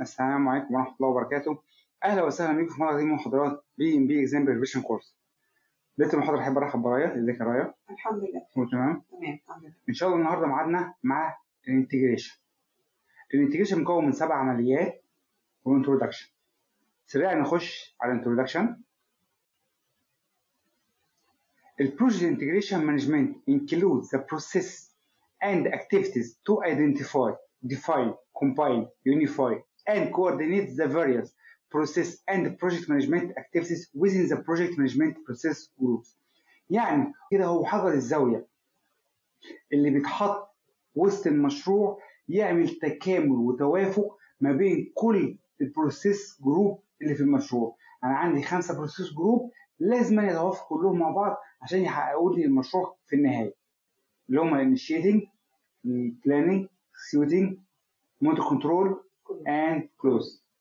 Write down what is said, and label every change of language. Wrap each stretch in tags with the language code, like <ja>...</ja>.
<ar>السلام عليكم ورحمه الله وبركاته. اهلا وسهلا بكم في مرحله محاضرات بي ام بي اكزام بريفيشن كورس. لسه المحاضره احب ارحب برايا. ازيك يا رايا؟ الحمد لله تمام. الحمد لله. ان شاء الله النهارده معادنا مع الانتجريشن. الانتجريشن مكون من 7 عمليات وانترودكشن. سريعا نخش على الانترودكشن.</ar> <en>البروجكت integration management include the process and activities to identify define, compile, unify, and coordinate the various process and project management activities within the project management process groups.</en> <ar>يعني كده هو حجر الزاوية اللي بيتحط وسط المشروع يعمل تكامل وتوافق ما بين كل process group اللي في المشروع. أنا عندي 5 process group لازم يتوافق كلهم مع بعض عشان يحققوا لي المشروع في النهاية. اللي هما</ar> <en>initiating, planning, executing, motor control and close.</en>